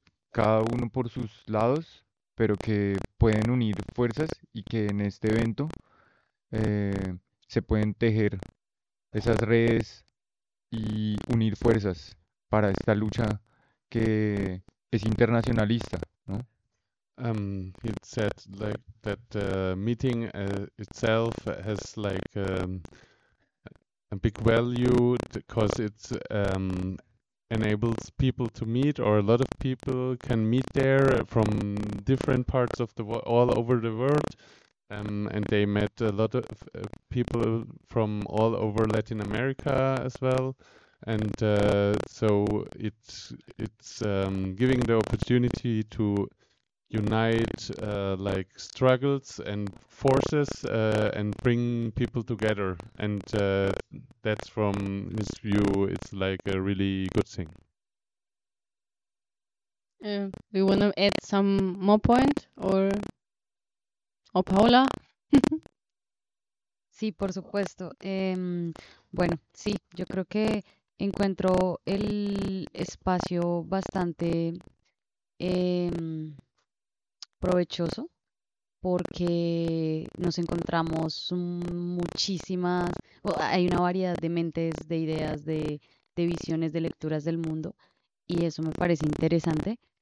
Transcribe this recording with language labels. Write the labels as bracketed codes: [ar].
[es] cada uno por sus lados, pero que pueden unir fuerzas, y que en este evento se pueden tejer esas redes y unir fuerzas para esta lucha que es internacionalista, ¿no? [en] It said like that the meeting itself has like a big value, because it enables people to meet, or a lot of people can meet there from different parts of the all over the world, and they met a lot of people from all over Latin America as well. And so it's giving the opportunity to unite like struggles and forces and bring people together, and that's from his view, it's like a really good thing. Do you want to add some more point or Paula? [es] Sí, por supuesto. Bueno, sí, yo creo que encuentro el espacio bastante provechoso, porque nos encontramos muchísimas, hay una variedad de mentes, de ideas, de visiones, de lecturas del mundo, y eso me parece interesante.